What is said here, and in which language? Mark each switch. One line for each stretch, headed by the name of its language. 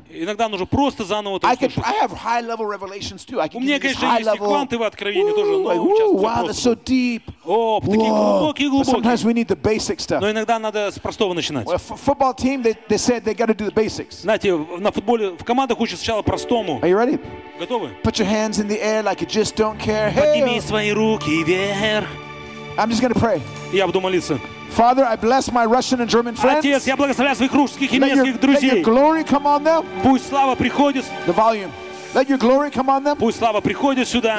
Russian: Иногда нужно просто заново это услышать.
English: I have high level revelations too.
Russian: У меня, конечно, есть квантовые откровения тоже, но часто вопросы.
English: Wow, that's so deep.
Russian: О, такие глубокие, глубокие.
English: Sometimes we need the basic stuff.
Russian: Но иногда надо с простого начинать.
English: Well, football team, they said they got to do the basics.
Russian: Знаете, на футболе в командах учат сначала простому.
English: Are you ready?
Russian: Готовы?
English: Put your hands in the air like you just don't care.
Russian: Подними свои руки вверх.
English: I'm just going to pray.
Russian: Я буду молиться.
English: Father, I bless my Russian and German friends.
Russian: Отец, я благословляю своих русских и немецких друзей.
English: Let your glory come on them.
Russian: Пусть слава приходит.
English: The volume. Let your glory come on them.
Russian: Пусть слава приходит сюда.